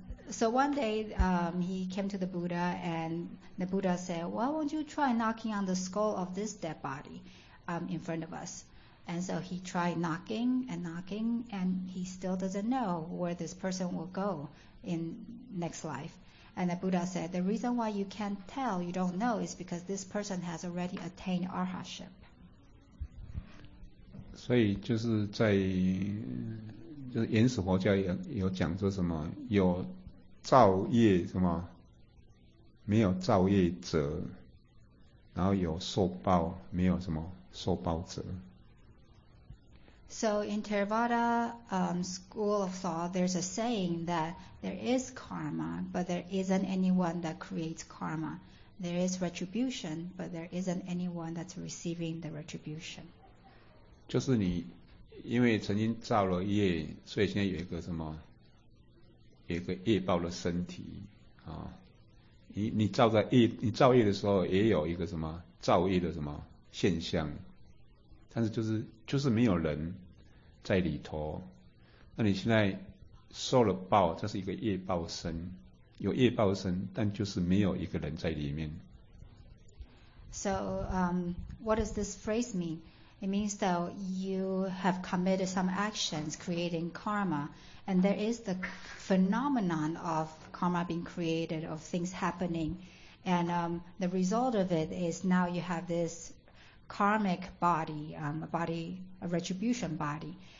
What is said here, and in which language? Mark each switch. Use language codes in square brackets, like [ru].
[en] So one day he came to the Buddha and the Buddha said, why won't you try knocking on the skull of this dead body in front of us? And so he tried knocking and he still doesn't know where this person will go in next life. And the Buddha said, the reason why you can't tell, you don't know, is because this person has already attained arhatship. [zh] 所以就是在就是原始佛教有讲说什么有造业什么没有造业者，然后有受报没有什么受报者。 [en] So in Theravada school of thought, there's a saying that there is karma but there isn't anyone that creates karma, there is retribution but there isn't anyone that's receiving the retribution. [zh] 就是你因为曾经造了业，所以现在有一个什么有一个业报的身体啊，你造业的时候也有一个什么造业的什么现象，但是就是没有人在里头，那你现在受了报，这是一个业报身，有业报身，但就是没有一个人在里面。 [en] So, what does this phrase mean? It means that you have committed some actions creating karma, and there is the phenomenon of karma being created, of things happening, and the result of it is now you have this karmic body, a body, a retribution body.